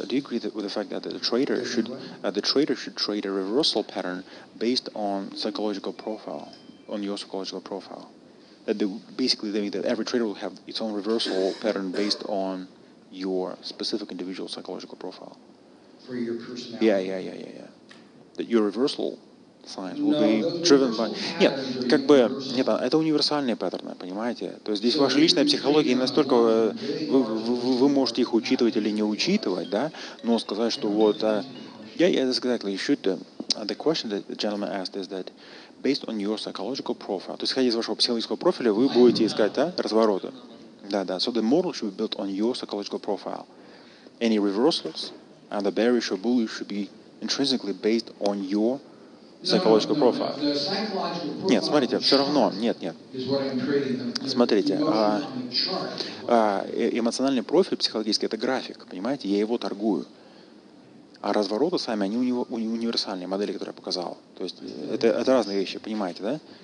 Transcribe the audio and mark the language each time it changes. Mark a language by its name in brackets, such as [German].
[English] Do you agree that with the fact that the trader should trade a reversal pattern based on psychological profile? On your psychological profile, that they basically they mean that every trader will have its own reversal pattern based on your specific individual psychological profile. For your personality. Yeah. That your reversal signs will be driven by. [Russian] Нет, как бы нет, это универсальные паттерны, понимаете? То есть здесь ваша личная психология настолько вы можете их учитывать или не учитывать, да? Но сказать, что вот [English] that's exactly. You should. The question that the gentleman asked is that. Based on your psychological profile. [Russian] То есть, исходя из вашего психологического профиля, вы будете искать, да, развороты. Да. [English] So the model should be built on your psychological profile. Any reversals, either bearish or bullish, should be intrinsically based on your psychological profile. [Russian] Нет, смотрите, все равно, нет. Смотрите, эмоциональный профиль психологический — это график, понимаете, я его торгую. А развороты сами, они у него универсальные, модели, которые я показал. То есть это разные вещи, понимаете, да?